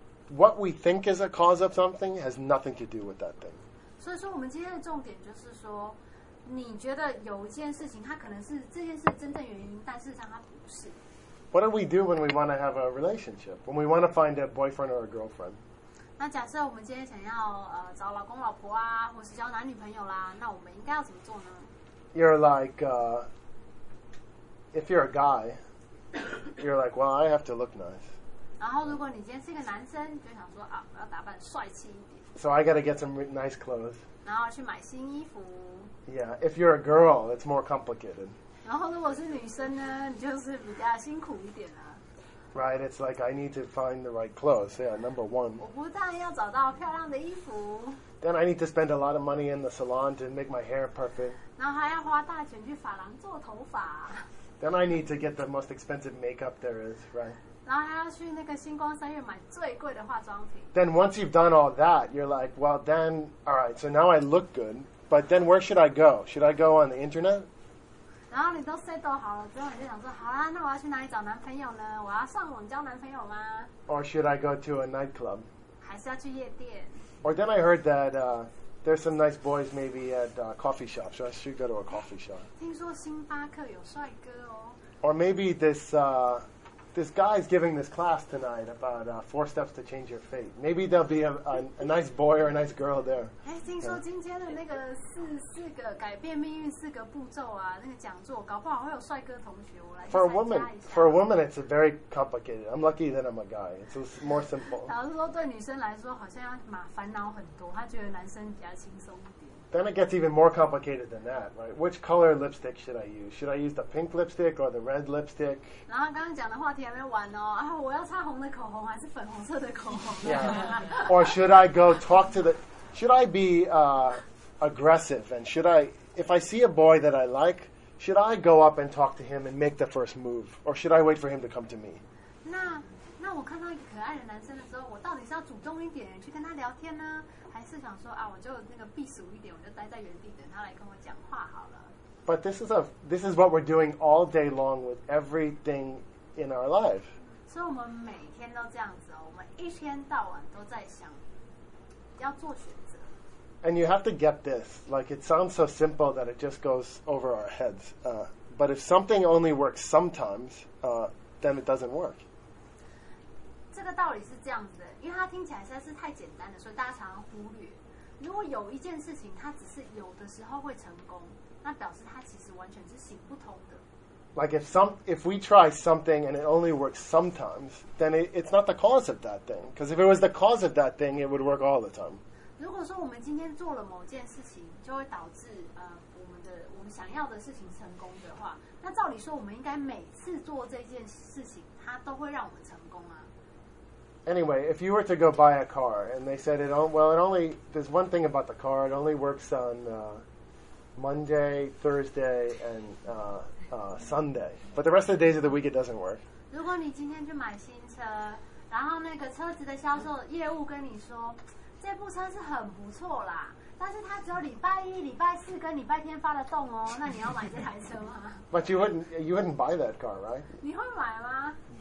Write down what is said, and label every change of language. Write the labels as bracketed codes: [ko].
[en] What we think is a cause of something has nothing to do with that thing. [zh] 所以说，我们今天的重点就是说，你觉得有一件事情，它可能是这件事真正原因，但事实上它不是。 [en] What do we do when we want to have a relationship? When we want to find a boyfriend or a girlfriend? [zh] 那假设我们今天想要找老公老婆啊，或是交男女朋友啦，那我们应该要怎么做呢？ [en] You're like, if you're a guy, you're like, well, I have to look nice. [zh] 然后如果你今天是一个男生，就想说啊，我要打扮帅气一点。 [en] So I got to get some nice clothes. [zh] 然后去买新衣服。 [en] Yeah, if you're a girl, it's more complicated. [zh] 然后如果是女生呢，你就是比较辛苦一点啊。 [en] Right, it's like I need to find the right clothes. Yeah, number one. [zh] 我不但要找到漂亮的衣服。 [en] Then I need to spend a lot of money in the salon to make my hair perfect. [zh] 然后还要花大钱去发廊做头发。 [en] Then I need to get the most expensive makeup there is, right? [zh] 然后还要去那个星光三月买最贵的化妆品。 [en] Then once you've done all that, you're like, well, then, all right, so now I look good, but then where should I go? Should I go on the internet? [zh] 然后你都 settle 好了之后，你就想说，好啦，那我要去哪里找男朋友呢？我要上网交男朋友吗 [en] ？Or should I go to a nightclub？ [zh] 还是要去夜店 [en] ？Or then I heard that there's some nice boys maybe at coffee shop, so I should go to a coffee shop. [zh] 听说星巴克有帅哥哦。 [en] Or maybe this guy is giving this class tonight about four steps to change your fate. Maybe there'll be a nice boy or a nice girl there. [zh] 听说今天的那个四个改变命运四个步骤啊，那个讲座，搞不好会有帅哥同学，我来参加一下。 [en] For a woman, it's very complicated. I'm lucky that I'm a guy. It's more simple. [zh] 老实说，对女生来说，好像要蛮烦恼很多，她觉得男生比较轻松一点。 [en] Then it gets even more complicated than that, right? Which color lipstick should I use? Should I use the pink lipstick or the red lipstick? [zh] 然后刚刚讲的话题还没完哦。啊，我要擦红的口红还是粉红色的口红？ [en] Yeah. Or should I go talk to the? Should I be aggressive? And should I, if I see a boy that I like, should I go up and talk to him and make the first move, or should I wait for him to come to me? [zh] 那我看到一个可爱的男生的时候，我到底是要主动一点去跟他聊天呢？还是想说啊，我就那个避暑一点，我就待在原地等他来跟我讲话好了。 [en] But this is what we're doing all day long with everything in our life. [zh] 所以我们每天都这样子哦，我们一天到晚都在想要做选择。 [en] And you have to get this, like it sounds so simple that it just goes over our heads. But if something only works sometimes, then it doesn't work. [zh] 这个道理是这样子的，因为它听起来实在是太简单了，所以大家常常忽略。如果有一件事情它只是有的时候会成功，那表示它其实完全是行不通的。 [en] Like if we try something and it only works sometimes, then it's not the cause of that thing. Because if it was the cause of that thing, it would work all the time. [zh] 如果说我们今天做了某件事情，就会导致我们想要的事情成功的话，那照理说我们应该每次做这件事情，它都会让我们成功啊。 [en] Anyway, if you were to go buy a car and they said there's one thing about the car, it only works on Monday, Thursday, and Sunday. But the rest of the days of the week, it doesn't work. [zh] 如果你今天去买新车，然后那个车子的销售业务跟你说，这部车是很不错啦，但是它只有礼拜一、礼拜四跟礼拜天发得动哦，那你要买这台车吗？ [en] But you wouldn't buy that car, right? [zh] 你会买吗？